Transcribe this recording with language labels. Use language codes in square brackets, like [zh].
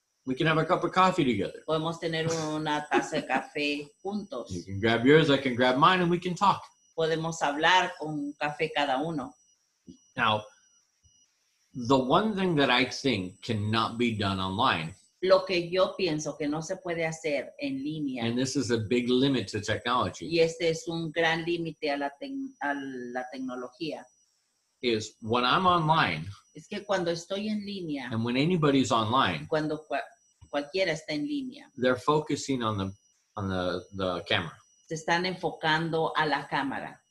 [en] we can have a cup of coffee together. [es] Podemos tener una taza de café juntos. [en] You can grab yours, I can grab mine, and we can talk. [es] Podemos hablar con café cada uno. [en] Now, the one thing that I think cannot be done online. [es] Lo que yo pienso que no se puede hacer en línea. [en] And this is a big limit to technology. [es] Y este es un gran límite a la tecnología. [en] Is when I'm online. [es] Es que cuando estoy en línea. [en] And when anybody's online. [es] Cuando cualquiera está en línea. [en] They're focusing on the camera. [es] Se están enfocando a la cámara.